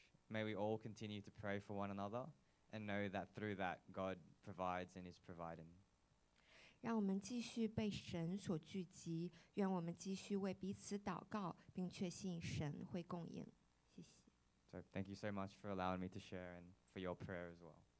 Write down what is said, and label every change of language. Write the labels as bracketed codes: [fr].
[en] May we all continue to pray for one another and know that through that God provides and is providing. [zh] 让我们继续被神所聚集，愿我们继续为彼此祷告，并确信神会供应。谢谢。 [en] So thank you so much for allowing me to share and for your prayer as well.